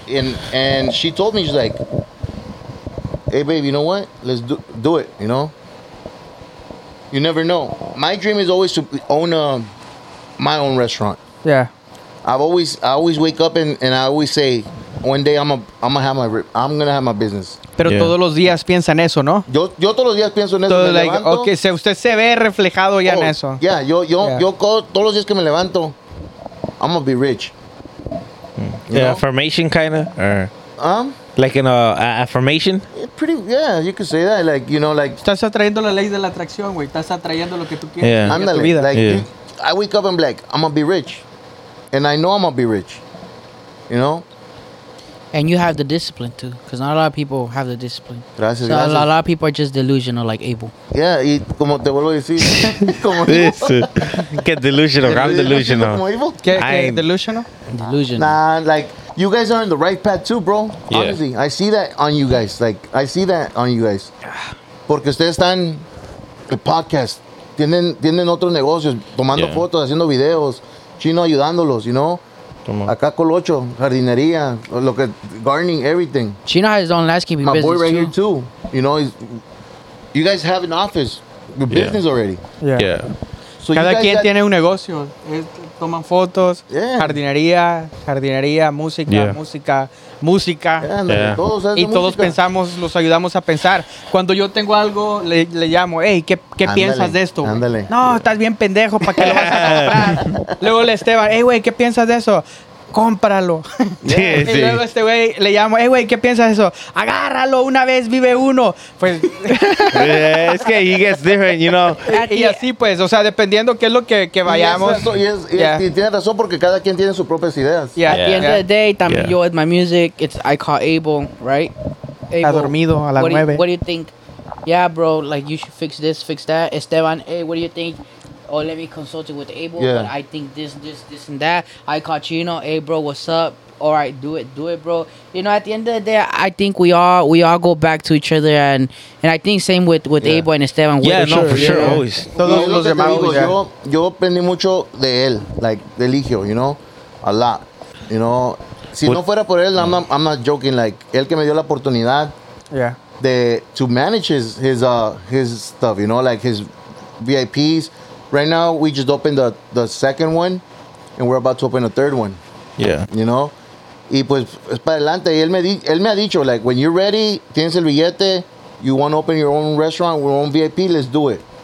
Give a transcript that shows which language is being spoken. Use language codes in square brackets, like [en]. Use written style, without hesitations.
[en] And she told me, she's like, hey, babe, you know what? Let's do it, you know? You never know. My dream is always to own my own restaurant. Yeah, I always wake up and I always say, one day I'm gonna have my business. [es] Pero yeah. Todos los días piensa en eso, ¿no? Yo todos los días pienso en eso. Todo, like, levanto, okay, si usted se ve reflejado ya en eso. Yeah, yo todos los días que me levanto, [en] I'm gonna be rich. Yeah, affirmation kind of. Like an affirmation? Pretty, yeah, you could say that. Like, you know, like. [es] Estás atrayendo la ley de la atracción, güey. Estás atrayendo lo que tú quieres. [en] Yeah. [es] Ándale, tu vida. [en] Like, yeah. I wake up and be like, I'm gonna be rich. And I know I'm gonna be rich. You know? And you have the discipline too. Because not a lot of people have the discipline. [es] Gracias, [en] so [es] gracias. [en] A lot of people are just delusional, like Abel. [es] Yeah, y como te vuelvo a decir. [en] Como this. Get delusional. I'm delusional. Como Abel? Get delusional? Delusional. Nah, like, you guys are on the right path too, bro. Yeah. Obviously. I see that on you guys. Like, I see that on you guys. [es] Porque ustedes están en podcast. Tienen otros negocios, tomando fotos, haciendo videos, chino ayudándolos, [en] you know? [es] Acá Colocho, jardinería, [en] gardening, everything. Chino has his own landscaping business, too. My boy right here, too. You know, you guys have an office, your business already. Yeah. [es] So cada quien tiene un negocio. Toman fotos, jardinería, música. Música. [en] Yeah. [es] Y todos pensamos, los ayudamos a pensar. Cuando yo tengo algo, le llamo, hey, ¿qué piensas de esto? Ándale. No, estás bien pendejo, ¿para qué lo vas a comprar? Luego le Esteban, hey, güey, ¿qué piensas de eso? Cómpralo. Sí. Y luego este güey le llamo, hey, güey, ¿qué piensas de eso? Agárralo, una vez vive uno. Pues. Es que [en] he gets different, you know. [es] Y así pues, o sea, dependiendo qué es lo que vayamos. Y tiene razón porque cada quien tiene sus propias ideas. [en] Yeah, at the end of the day, también yo with my music, I call Abel, right? [es] Abel, ha dormido a las 9. [en] What do you think? Yeah, bro, like you should fix this, fix that. Esteban, hey, what do you think? Oh, let me consult you with Abel, but I think this and that. I caught Chino, hey, bro, what's up? all right, do it, bro. You know, at the end of the day, I think we all go back to each other, and I think same with Abel and Esteban. Yeah, no, sure, for sure, yeah. Always. [es] Todos los amigos, yeah. Yo aprendí mucho de él, like de Eligio, [en] you know, a lot. You know, [es] si no fuera por él, [en] I'm not joking. [es] Like, él que me dio la oportunidad, [en] yeah, to manage his stuff, you know, like his VIPs. Right now, we just opened the second one, and we're about to open a third one. Yeah. [es] You know? Y pues, es para adelante. Y él me ha dicho, [en] like, when you're ready, [es] tienes el billete, [en] you want to open your own restaurant, your own VIP, let's do it.